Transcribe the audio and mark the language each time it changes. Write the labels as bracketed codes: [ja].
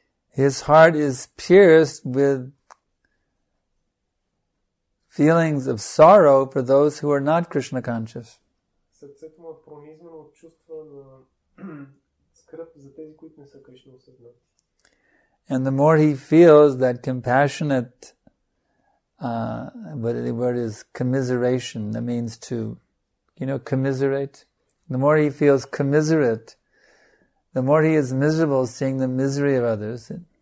[en] His heart is pierced with feelings of sorrow for those who are not Krishna conscious. [bg] Сърцето му е пронизано от чувства на скръп за тези, които не са Кришна осъзнати. [en] And the more he feels that compassionate, what the word is, commiseration, that means to, you know, commiserate. The more he feels commiserate, the more he is miserable seeing the misery of others.